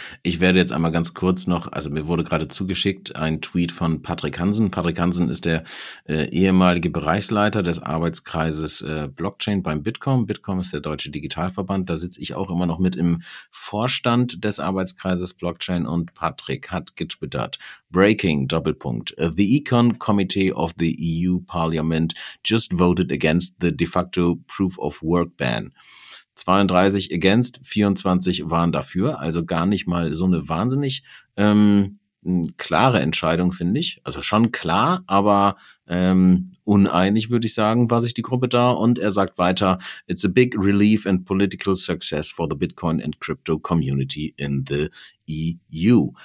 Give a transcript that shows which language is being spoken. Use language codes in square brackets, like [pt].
[de] Ich werde jetzt einmal ganz kurz noch, also mir wurde gerade zugeschickt ein Tweet von Patrick Hansen. Patrick Hansen ist der ehemalige Bereichsleiter des Arbeitskreises Blockchain beim Bitkom. Bitkom ist der deutsche Digitalverband. Da sitze ich auch immer noch mit im Vorstand des Arbeitskreises Blockchain. Und Patrick hat getwittert: Breaking, Doppelpunkt. [en] The Econ Committee of the EU Parliament just voted against the de facto Proof of Work Ban. [de] 32 against, 24 waren dafür, also gar nicht mal so eine wahnsinnig klare Entscheidung, finde ich. Also schon klar, aber uneinig, würde ich sagen, war sich die Gruppe da. Und er sagt weiter: [en] It's a big relief and political success for the Bitcoin and crypto community in the EU.